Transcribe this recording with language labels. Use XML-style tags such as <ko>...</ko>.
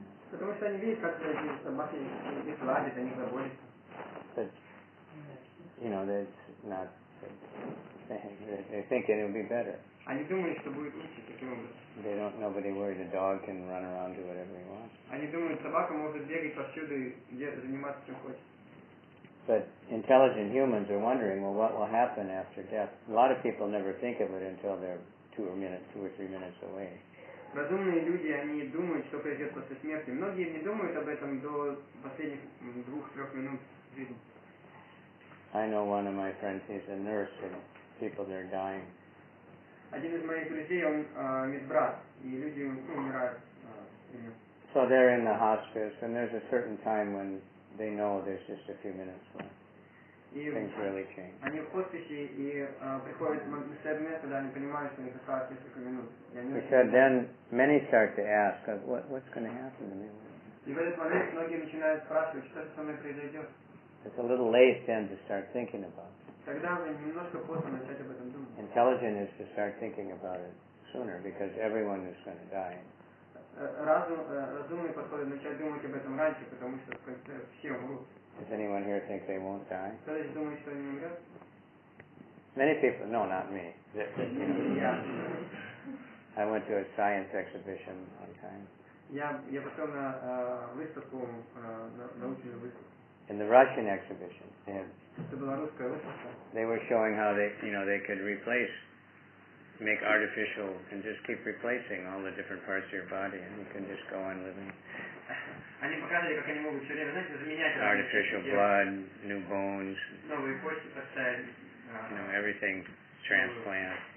<ru>Потому что они видят, как эти собаки их ладят, они заботятся.</ru> <en>But, you know, that's not the same. They think it'll be better.</en> <ru>Они думают, что будет лучше таким образом.</ru> <en>They don't, nobody worries. A dog can run around, do whatever he wants.</en> <ru>Они думают, собака может бегать повсюду и заниматься чем хочет.</ru> <en>But intelligent humans are wondering, well, what will happen after death? A lot of people never think of it until they're two or three minutes away.</en> <ru>Разумные люди, они думают, что произойдет после смерти. Многие не думают об этом до последних 2-3 минут жизни.</ru> <en>I know one of my friends, he's a nurse, and people that are dying.</en> <ru>Один из моих друзей, он медбрат, и люди умирают.</ru> <en>So they're in the hospice, and there's a certain time when they know there's just a few minutes left. Things really change.</en> <ru>Они в хосписе и приходят на седьмое, когда они понимают, что у них осталось несколько минут.</ru> <en>He said, then many start to ask, what's going to happen to me?</en> <ru>И в этот момент многие начинают спрашивать, что со мной произойдет.</ru> <en>It's a little late then to start thinking about it.</en> <ru>Тогда немножко поздно начать об этом думать.</ru> <en>Intelligent is to start thinking about it sooner, because everyone is going to die.</en> <ru>Разумный подход начать думать об этом раньше, потому что в конце все умрут.</ru> <en>Does anyone here think they won't die?</en> <ru>Кто-то здесь думает, что они умрут?</ru> <en>Many people, no, not me. Yeah. I went to a science exhibition one time.</en> <ru>Я пошел на выставку, на научную выставку.</ru> <en>in the Russian exhibition. They were showing how they, you know, they could replace, make artificial, and just keep replacing all the different parts of your body, and you can just go on living. Artificial blood, new bones, you know, everything transplant.</en>